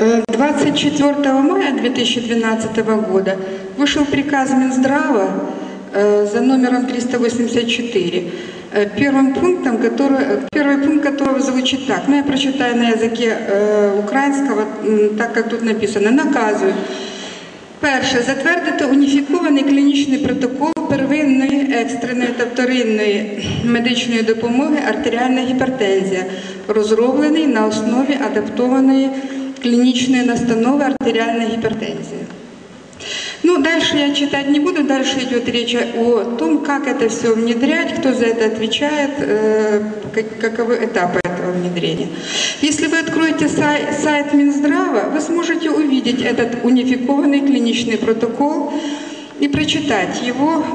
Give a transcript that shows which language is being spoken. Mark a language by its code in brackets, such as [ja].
[ru] 24 мая 2012 года вышел приказ Минздрава за номером 384, первый пункт которого звучит так, ну я прочитаю на языке украинского, так как тут написано, наказываю. [uk] Перше, затвердити уніфікований клінічний протокол первинної, екстреної та вторинної медичної допомоги артеріальна гіпертензія, розроблений на основі адаптованої клінічної настанови артеріальна гіпертензія. [ru] Ну, дальше я читать не буду, дальше йде речь о том, как это все внедрять, кто за это отвечает, каковы этапы этого внедрения. Если вы откроете сайт Минздрава, вы сможете увидеть этот унификованный клинический протокол и прочитать его.